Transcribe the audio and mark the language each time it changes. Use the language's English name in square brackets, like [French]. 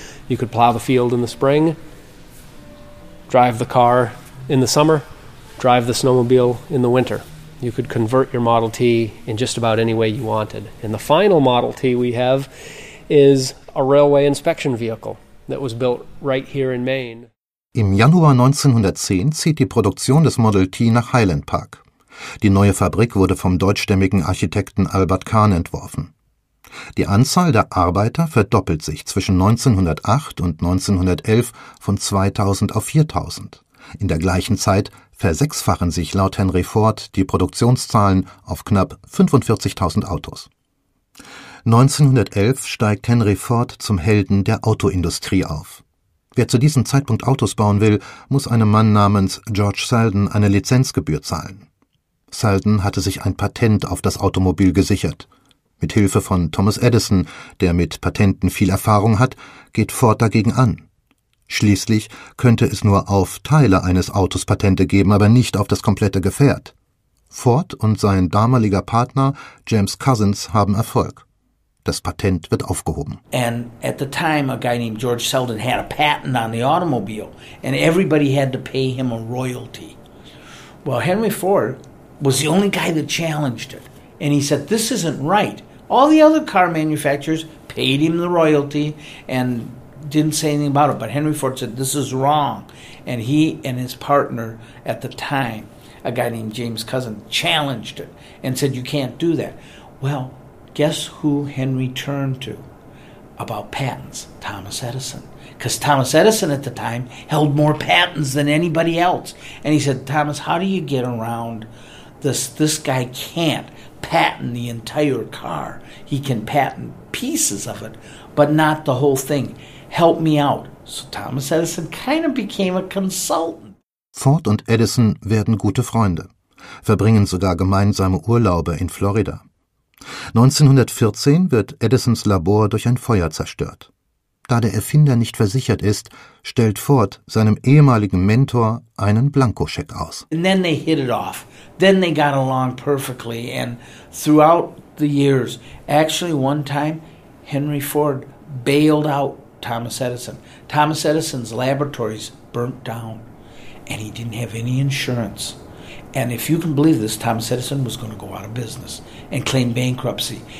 [English] You could plow the field in the spring, drive the car in the summer, drive the snowmobile in the winter. You could convert your Model T in just about any way you wanted. And the final Model T we have is a railway inspection vehicle that was built right here in Maine. [German] Im Januar 1910 zieht die Produktion des Model T nach Highland Park. Die neue Fabrik wurde vom deutschstämmigen Architekten Albert Kahn entworfen. Die Anzahl der Arbeiter verdoppelt sich zwischen 1908 und 1911 von 2000 auf 4000. In der gleichen Zeit versechsfachen sich laut Henry Ford die Produktionszahlen auf knapp 45.000 Autos. 1911 steigt Henry Ford zum Helden der Autoindustrie auf. Wer zu diesem Zeitpunkt Autos bauen will, muss einem Mann namens George Selden eine Lizenzgebühr zahlen. Selden hatte sich ein Patent auf das Automobil gesichert. Mit Hilfe von Thomas Edison, der mit Patenten viel Erfahrung hat, geht Ford dagegen an. Schließlich könnte es nur auf Teile eines Autos Patente geben, aber nicht auf das komplette Gefährt. Ford und sein damaliger Partner James Cousins haben Erfolg. Das Patent wird aufgehoben. [English] And at the time a guy named George Selden had a patent on the automobile and everybody had to pay him a royalty. Well, Henry Ford was the only guy that challenged it. And he said, this isn't right. All the other car manufacturers paid him the royalty and didn't say anything about it. But Henry Ford said, this is wrong. And he and his partner at the time, a guy named James Cousin, challenged it and said, you can't do that. Well, guess who Henry turned to about patents? Thomas Edison. Because Thomas Edison at the time held more patents than anybody else. And he said, Thomas, how do you get around this? This guy can't patent the entire car. He can patent pieces of it, but not the whole thing. Help me out. So Thomas Edison kind of became a consultant. [German] Ford und Edison werden gute Freunde, verbringen sogar gemeinsame Urlaube in Florida. 1914 wird Edisons Labor durch ein Feuer zerstört. Da der Erfinder nicht versichert ist, stellt Ford seinem ehemaligen Mentor einen Blankoscheck aus. [English] And then they hit it off. Then they got along perfectly, and throughout the years, actually one time, Henry Ford bailed out Thomas Edison. Thomas Edison's laboratories burnt down, and he didn't have any insurance. And if you can believe this, Thomas Edison was going to go out of business and claim bankruptcy.